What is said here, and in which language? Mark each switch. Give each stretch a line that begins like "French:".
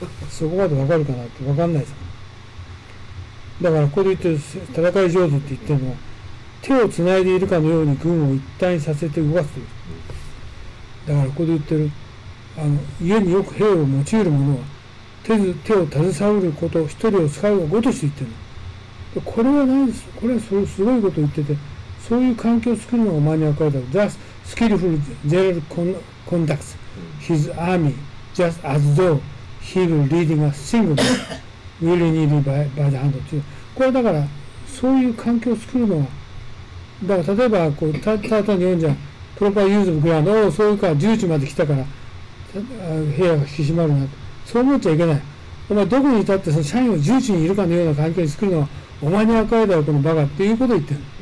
Japanese: そこまで分かるかなって分かんないですか。だからここで言ってる戦い上手って言ってるのは、手をつないでいるかのように軍を一体にさせて動かすという。だからここで言ってる、あの家によく兵を用いる者は 手を携えること一人を使うがごとして言ってるの。これは何です、これはすごいことを言ってて、そういう環境を作るのがマニュアル化だ。
English: Thus, skillful general conducts his army just as though he were leading a single man willingly by the hand.
Japanese: これだから、そういう環境を作るのは、だから例えばこう、ただ単に読んじゃう、
English: proper use of ground、
Japanese: おお、そういうか、10時まで来たから、部屋が引き締まるなと、そう思っちゃいけない。お前、どこにいたって、その社員を10時にいるかのような環境に作るのは、お前に分かるだろ、このバカっていうことを言ってる。